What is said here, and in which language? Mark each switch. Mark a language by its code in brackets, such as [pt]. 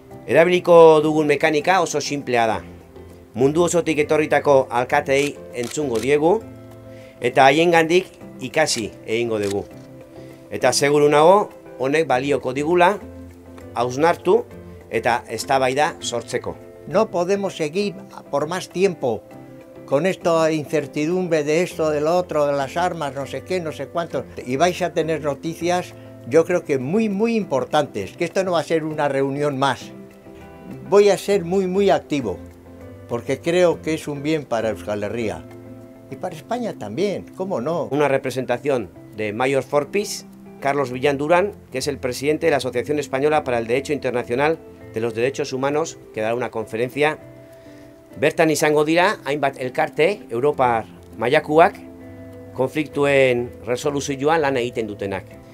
[eu] Erabiliko dugun mekanika oso simplea da. Mundu osotik etorritako alkatei entzungo diegu eta haiengandik ikasi egingo dugu. Eta seguru nago honek balioko digula hausnartu eta eztabaida sortzeko. [es] No podemos seguir por más tiempo con esta incertidumbre de esto, de lo otro, de las armas, no sé qué, no sé cuánto. Y vais a tener noticias, yo creo que muy, muy importantes, que esto no va a ser una reunión más. Voy a ser muy, muy activo, porque creo que es un bien para Euskal Herria. Y para España también, ¿cómo no? Una representación de Mayors for Peace, Carlos Villán Durán, que es el presidente de la Asociación Española para el Derecho Internacional de los Derechos Humanos, que dará una conferencia. [eu] Bertan izango dira, hainbat elkarte, Europar mailakoak, konfliktuen resoluzioa lan egiten dutenak.